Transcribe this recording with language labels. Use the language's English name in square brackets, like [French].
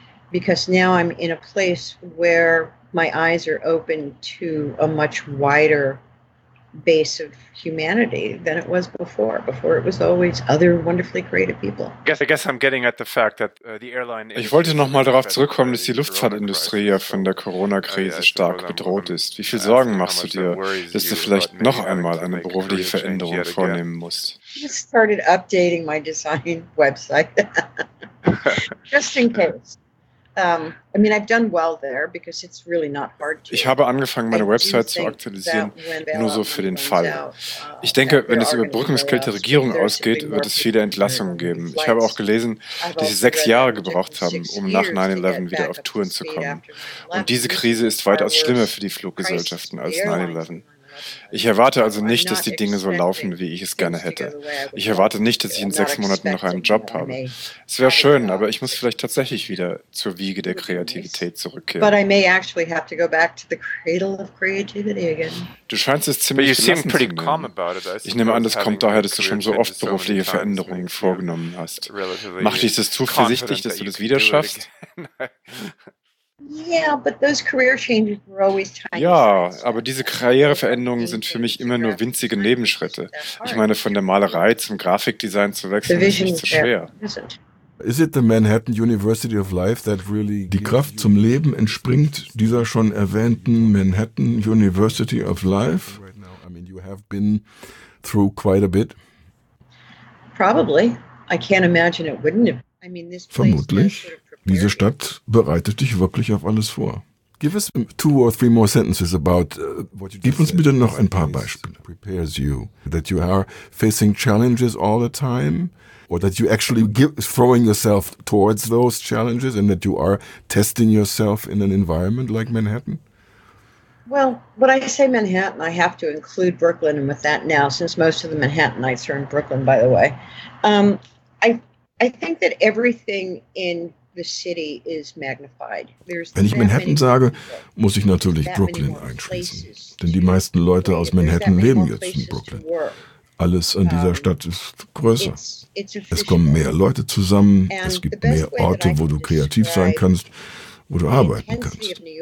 [English] Because now I'm in a place where my eyes are open to a much wider base of humanity than it was before. Before it was always other wonderfully creative people. I guess I'm getting at the fact that the airline. [German] Ich wollte noch mal darauf zurückkommen, dass die Luftfahrtindustrie ja von der Corona-Krise stark bedroht ist. Wie viel Sorgen machst du dir, dass du vielleicht noch einmal eine berufliche Veränderung vornehmen musst? [English] I just started updating my design website just in case. I mean, I've done well there because it's really not hard to. [German] Ich habe angefangen, meine Website zu aktualisieren, nur so für den Fall. Ich denke, wenn es über Überbrückungsgeld der Regierung ausgeht, wird es viele Entlassungen geben. Ich habe auch gelesen, dass sie 6 Jahre gebraucht haben, um nach 9/11 wieder auf Touren zu kommen. Und diese Krise ist weitaus schlimmer für die Fluggesellschaften als 9/11. Ich erwarte also nicht, dass die Dinge so laufen, wie ich es gerne hätte. Ich erwarte nicht, dass ich in 6 Monaten noch einen Job habe. Es wäre schön, aber ich muss vielleicht tatsächlich wieder zur Wiege der Kreativität zurückkehren. [English] But I may actually have to go back to the cradle of creativity again. [German] Du scheinst es ziemlich gelassen zu nehmen. Ich nehme an, das kommt daher, dass du schon so oft berufliche Veränderungen vorgenommen hast. Macht dich das zuversichtlich, dass du das wieder schaffst? [English] Yeah, but those career changes were always tiny. [German] Ja, aber diese Karriereveränderungen sind für mich immer nur winzige Nebenschritte. Ich meine, von der Malerei zum Grafikdesign zu wechseln, ist nicht so schwer. [English] Is it the Manhattan University of Life that really? [German] Die Kraft zum Leben entspringt dieser schon erwähnten Manhattan University of Life. [English] I mean, you have been through quite a bit. Probably. I can't imagine it wouldn't have. I mean, this place. [German] Vermutlich. Diese Stadt bereitet dich wirklich auf alles vor. [English] Give us 2 or 3 more sentences about. [German] Gib uns bitte noch ein paar Beispiele. [English] Prepares you that you are facing challenges all the time, or that you actually throwing yourself towards those challenges and that you are testing yourself in an environment like Manhattan. Well, when I say Manhattan, I have to include Brooklyn, and with that now, since most of the Manhattanites are in Brooklyn, by the way, I think that everything in the city is magnified. [German] Wenn ich Manhattan sage, muss ich natürlich Brooklyn einschließen. Denn die meisten Leute aus Manhattan leben jetzt in Brooklyn. Alles an dieser Stadt ist größer. Es kommen mehr Leute zusammen. Es gibt mehr Orte, wo du kreativ sein kannst, wo du arbeiten kannst.